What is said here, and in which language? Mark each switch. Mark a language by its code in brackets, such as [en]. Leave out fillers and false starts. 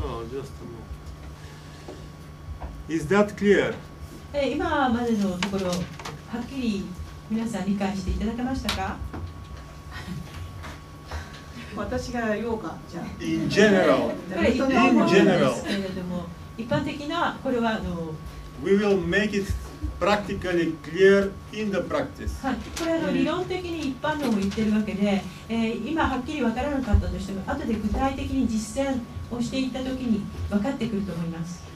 [en] just a moment. Is that clear? [ja] 今までのところはっきり皆さん理解していただけましたか？私が言おうか。じゃあ。 [en] In general. In general. [ja] けれども一般的なこれは [en] We will make it practically clear in the practice. [ja] はい、これは理論的に一般のを言ってるわけで、今はっきりわからなかったとしても、後で具体的に実践をしていったときに分かってくると思います。